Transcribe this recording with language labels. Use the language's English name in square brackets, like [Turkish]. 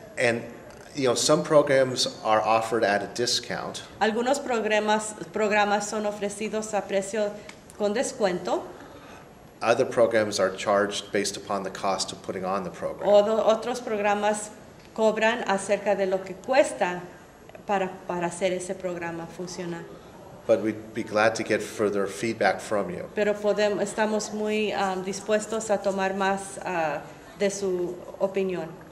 [English] And you know, some programs are offered at a discount. [Spanish] Algunos programas son ofrecidos a precio con descuento. [English] Other programs are charged based upon the cost of putting on the program. [Spanish] Otros programas cobran acerca de lo que cuesta para hacer ese programa funcionar. [English] But we'd be glad to get further feedback from you. [Spanish] Pero estamos muy dispuestos a tomar más de su opinión.